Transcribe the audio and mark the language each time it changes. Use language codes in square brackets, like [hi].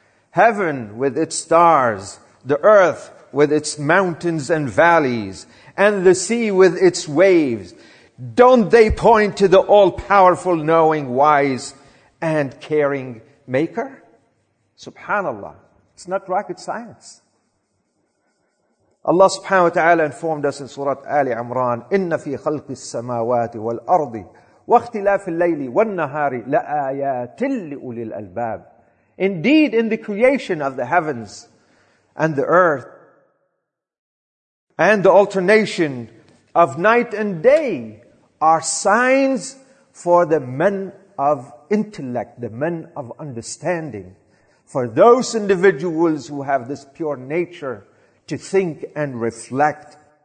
[en] Heaven with its stars, the earth with its mountains and valleys, and the sea with its waves. Don't they point to the all-powerful, knowing, wise, and caring maker? Subhanallah. It's not rocket science. Allah subhanahu wa ta'ala informed us in Surah Ali Imran, [ar] إِنَّ فِي خَلْقِ السَّمَاوَاتِ وَالْأَرْضِ وَاخْتِلَافِ اللَّيْلِ وَالنَّهَارِ لَآيَاتٍ لِّأُولِي الْأَلْبَابِ. [en] Indeed, in the creation of the heavens and the earth and the alternation of night and day are signs for the men of intellect, the men of understanding, for those individuals who have this pure nature to think and reflect.